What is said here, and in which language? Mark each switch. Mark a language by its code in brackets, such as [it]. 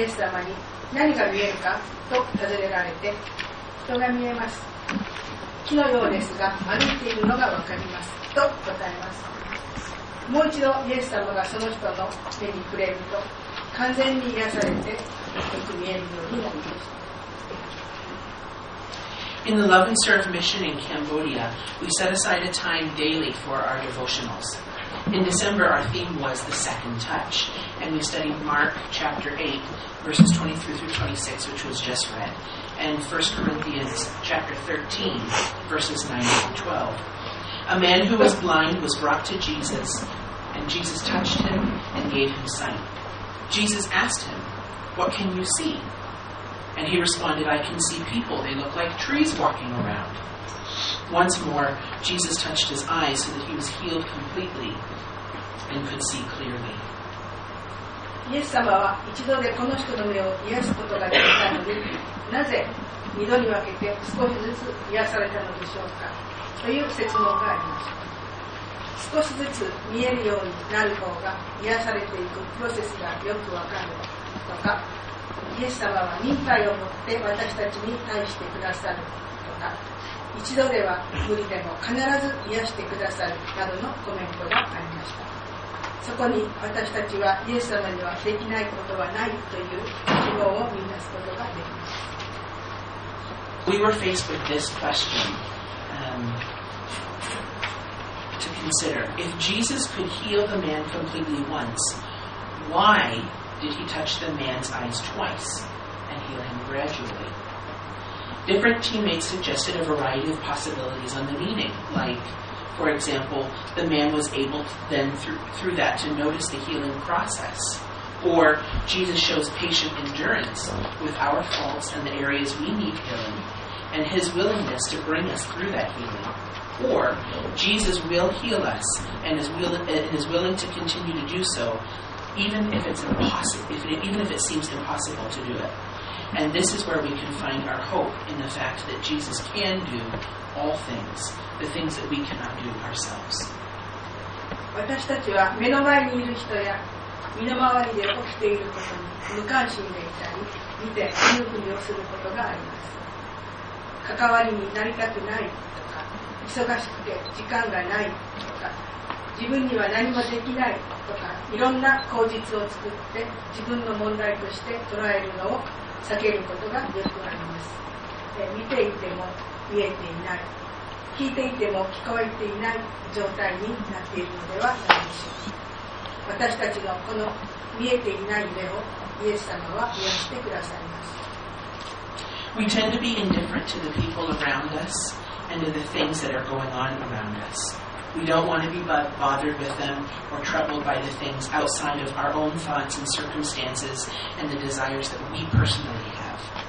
[ja] イエス様に何が見えるかと尋ねられて、人が見えます、木のようですが歩いているのが分かりますと答えます。もう一度イエス様がその人の目に触れると、完全に癒されてよく見えるようになりました。 [en] In the Love and Serve mission in Cambodia, we set aside a time daily for our devotionals. In December, our theme was the Second Touch, and we studied Mark chapter 8, verses 23 through 26, which was just read, and 1 Corinthians chapter 13, verses 9 through 12. A man who was blind was brought to Jesus, and Jesus touched him and gave him sight. Jesus asked him, "What can you see?" And he responded, "I can see people. They look like trees walking around." Once more, Jesus touched his eyes so that he was healed completely and could see clearly. [ja] イエス様は一度でこの人の目を癒すことができたので、なぜ二度に分けて少しずつ癒されたのでしょうか、という説問があります。少しずつ見えるようになる方が癒されていくプロセスがよくわかるとか、イエス様は忍耐を持って私たちに対してくださるとか、一度では無理でも必ず癒してくださるなどのコメントがありました。そこに私たちはイエス様にはできないことはないという希望を見出すことができます。 [en] We were faced with this question、to consider if Jesus could heal the man completely once, whyDid he touch the man's eyes twice and heal him gradually? Different teammates suggested a variety of possibilities on the meaning, like, for example, the man was able then through that to notice the healing process, or Jesus shows patient endurance with our faults and the areas we need healing, and his willingness to bring us through that healing, or Jesus will heal us and is willing to continue to do so,Even if it seems impossible to do it. And this is where we can find our hope in the fact that Jesus can do all things, the things that we cannot do ourselves. [ja] 私たちは目の前にいる人や身の回りで起きていることに無関心でいたり、見て見ぬふりをすることがあります。関わりになりたくないとか、忙しくて時間がないとか、自分には何もできないとか、いろんな口実を作って自分の問題として捉えるのを避けることがよくあります。見ていても見えていない、聞いていても聞こえていない状態になっているのではないでしょう。私たちのこの見えていない目をイエス様は癒してくださいます。 [en] We tend to be indifferent to the people around us and to the things that are going on around usWe don't want to be bothered with them or troubled by the things outside of our own thoughts and circumstances and the desires that we personally have.